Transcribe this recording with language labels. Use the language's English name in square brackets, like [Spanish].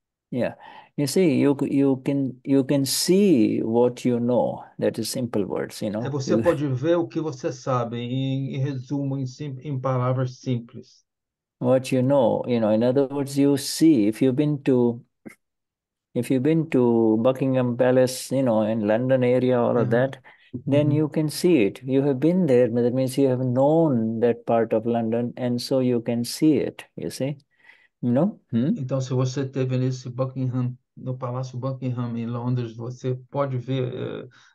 [English] Yeah, you see, you can see what you know. That is simple words, you know. [Portuguese] Você pode ver o que você sabe em resumo, em palavras simples. [English] What you know, in other words, you see, if you've been to Buckingham Palace, you know, in London area, all of that, then you can see it. You have been there, but that means you have known that part of London, and so you can see it, you see. No? [Portuguese] Então, se você teve nesse Buckingham, no Palácio Buckingham em Londres, você pode ver.